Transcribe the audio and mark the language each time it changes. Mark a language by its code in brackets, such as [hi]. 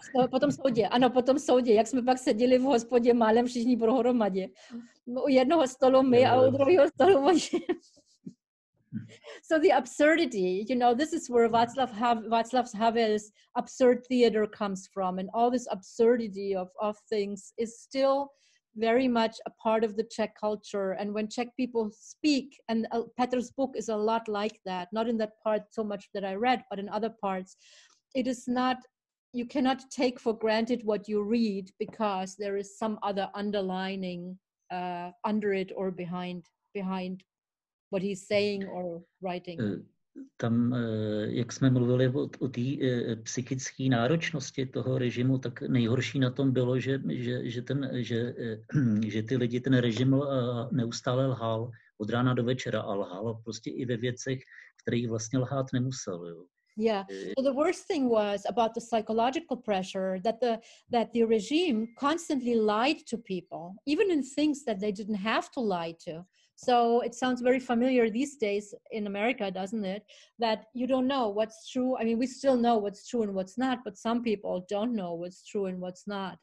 [cs] Potom soudě, ano, potom soudě, jak jsme pak seděli v hospodě málem všichni prohromadě. U jednoho stolu my a u druhého stolu oni. [en] So the absurdity, you know, this is where Václav Havel's absurd theater comes from, and all this absurdity of things is still very much a part of the Czech culture. And when Czech people speak, and Petr's book is a lot like that, not in that part so much that I read, but in other parts, it is not, you cannot take for granted what you read, because there is some other underlining under it or behind. What he's saying or writing. [cs] Tam, jak jsme mluvili o té psychické náročnosti toho režimu, tak nejhorší na tom bylo, že ty lidi ten režim neustále lhal od rána do večera a lhal prostě i ve věcech, které vlastně lhát nemusel. Jo. [en] Yeah. So the worst thing was about the psychological pressure that the regime constantly lied to people, even in things that they didn't have to lie to. So it sounds very familiar these days in America, doesn't it? That you don't know what's true. I mean, we still know what's true and what's not, but some people don't know what's true and what's not.